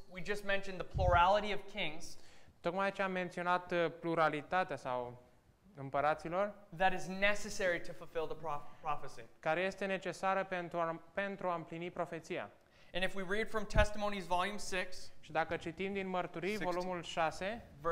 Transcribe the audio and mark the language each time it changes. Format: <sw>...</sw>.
<en>We just mentioned the plurality of kings.</en> <ro>Tocmai aici am menționat pluralitatea sau împăraților.</ro> <en>That is necessary to fulfill the prophecy.</en> <ro>Care este necesară pentru a împlini profeția.</ro> <en>And if we read from Testimonies volume 6,</en> <ro>și dacă citim din Mărturii 16, volumul 6,</ro>